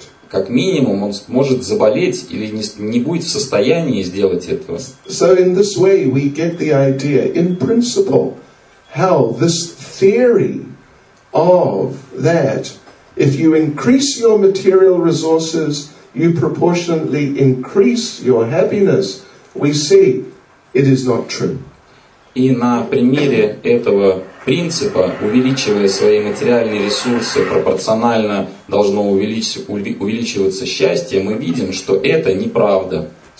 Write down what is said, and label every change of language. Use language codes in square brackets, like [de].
[ru] Как минимум, он может заболеть или не будет в состоянии сделать этого. [en] So in this way we get the idea, in principle, how this theory of that if you increase your material resources, you proportionately increase your happiness, we see. It is not true. [ru] И на примере этого принципа, увеличивая свои материальные ресурсы, пропорционально должно увеличиваться счастье, мы видим, что это неправда.